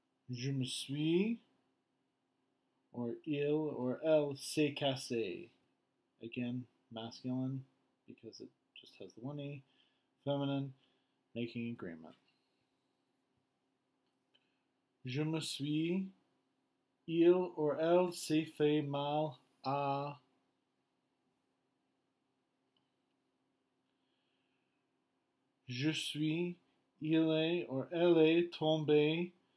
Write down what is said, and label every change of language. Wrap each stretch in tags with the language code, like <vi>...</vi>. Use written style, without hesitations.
<fr>Je me suis,</fr> <en>or</en> <fr>il, or elle, s'est cassé.</fr> <en>Again, masculine, because it just has the one E. Feminine, making agreement.</en> <fr>Je me suis, il,</fr> <en>or</en> <fr>elle, s'est fait mal à... Je suis, il est,</fr> <en>or</en> <fr>elle est, tombé...</fr>